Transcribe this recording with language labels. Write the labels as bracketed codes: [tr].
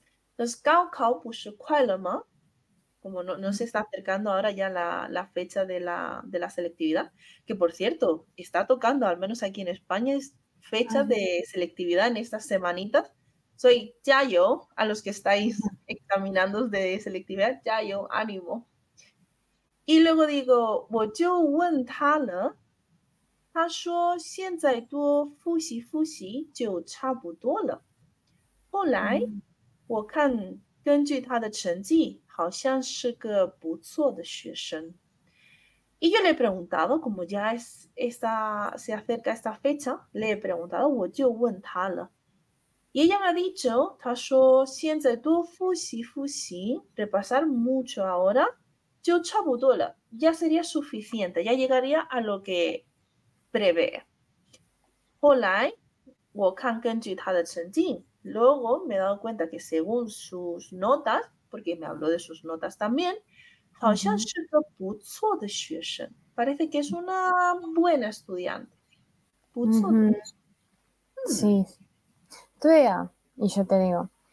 [es] Entonces, [zh] Gao Kao bushi kuai le ma. [es] Como no se está acercando ahora ya la fecha de la selectividad, que por cierto, está tocando, al menos aquí en España, es fecha de selectividad en estas semanitas. Soy Yayo, a los que estáis examinando de selectividad, Yayo, ánimo. Y luego digo, [zh] 根据他的成绩，好像是个不错的学生。 [es] Y yo le he preguntado, como ya se acerca esta fecha, le he preguntado, [zh] 我就问他了。 [es] Y ella me ha dicho, [zh] 他说现在多复习复习， [es] repasar mucho ahora, [zh] 就差不多了， [es] ya sería suficiente, ya llegaría a lo que prevé。 [zh] 后来我看根据他的成绩。 [es] Luego me he dado cuenta que según sus notas, porque me habló de sus notas también, parece que es una buena estudiante. [zh] Sí, 对呀、啊，你说对了。